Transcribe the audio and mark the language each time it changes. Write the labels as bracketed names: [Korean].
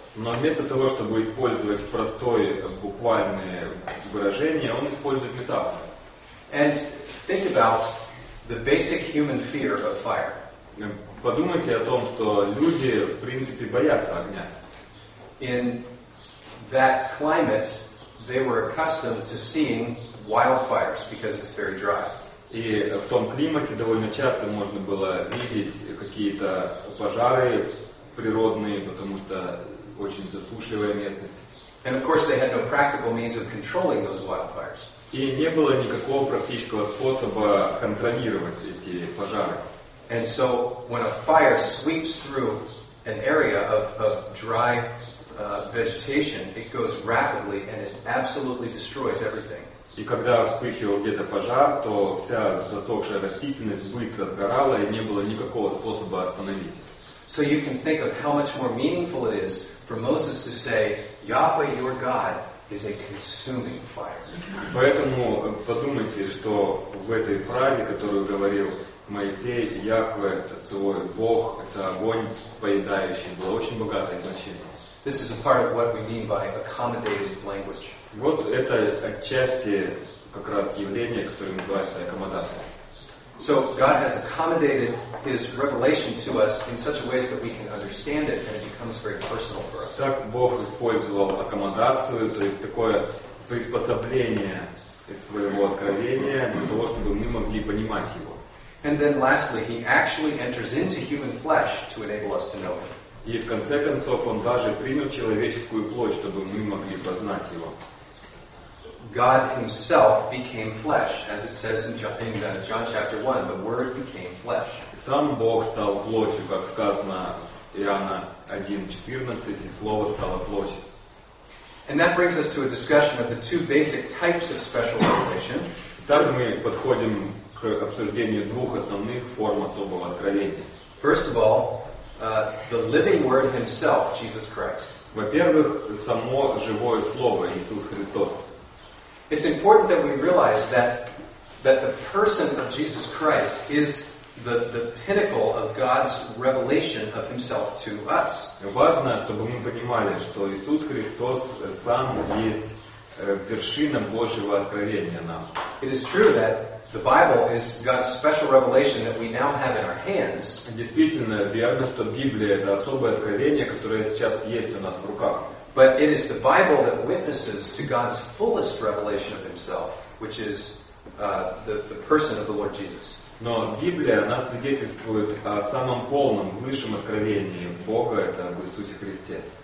[Russian] Но вместо того, чтобы использовать простое буквальное выражение, он использует метафору. [English] And think about the basic human fear of fire. [Russian] Подумайте о том, что люди в принципе боятся огня. [English] In that climate, they were accustomed to seeing wildfires because it's very dry. [Russian] И в том климате довольно часто можно было видеть какие-то пожары природные, потому что очень засушливая местность. [English] And of course, they had no practical means of controlling those wildfires. [Russian] И не было никакого практического способа контролировать эти пожары. [English] And so, when a fire sweeps through an area of dry vegetation, it goes rapidly and it absolutely destroys everything. [Russian] И когда вспыхивал где-то пожар, то вся засохшая растительность быстро сгорала, и не было никакого способа остановить. [English] So you can think of how much more meaningful it is for Moses to say, Yahweh your God is a consuming fire. [Russian] Поэтому подумайте, что в этой фразе, которую говорил Моисей, Яхве, твой Бог, это огонь поедающий, было очень богатое значение. [English] This is a part of what we mean by accommodated language. [Russian] Вот это отчасти как раз явление, которое называется аккомодация. [English] So God has accommodated His revelation to us in such a way that we can understand it, and it becomes very personal for us. [Russian] Так Бог использовал аккомодацию, то есть такое приспособление из своего откровения для того, чтобы мы могли понимать его. [English] And then lastly, He actually enters into human flesh to enable us to know Him. [Russian] И в конце концов Он даже принял человеческую плоть, чтобы мы могли познать Его. [English] God Himself became flesh, as it says in John chapter 1, the Word became flesh. [Russian] Сам Бог стал плотью, как сказано в Иоанна 1:14, и Слово стало плотью. [English] And that brings us to a discussion of the two basic types of special revelation. [Russian] Так мы подходим к обсуждению двух основных форм особого откровения. [English] First of all, the living Word Himself, Jesus Christ. [Russian] Во-первых, само живое Слово, Иисус Христос. [English] It's important that we realize that the person of Jesus Christ is the pinnacle of God's revelation of Himself to us. [Russian] Важно, чтобы мы понимали, что Иисус Христос сам есть вершина Божьего откровения нам. [English] It is true that the Bible is God's special revelation that we now have in our hands. [Russian] Действительно верно, что Библия это особое откровение, которое сейчас есть у нас в руках. [English] But it is the Bible that witnesses to God's fullest revelation of Himself, which is the person of the Lord Jesus. [Russian] Но Библия нас свидетельствует о самом полном, высшем откровении Бога, это об Иисусе Христе.